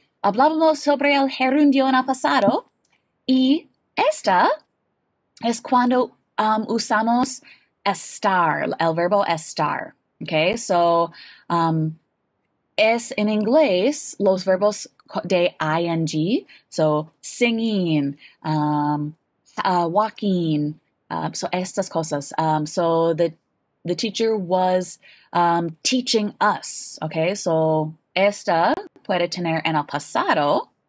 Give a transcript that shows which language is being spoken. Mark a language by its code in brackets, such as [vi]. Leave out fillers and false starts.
[es] Hablábamos sobre el gerundio en el pasado y esta es cuando usamos estar, el verbo estar. Okay, so es en inglés los verbos de ing, so singing, walking, so estas cosas. [en] So the teacher was teaching us. [es] Okay, so esta puede tener en el pasado.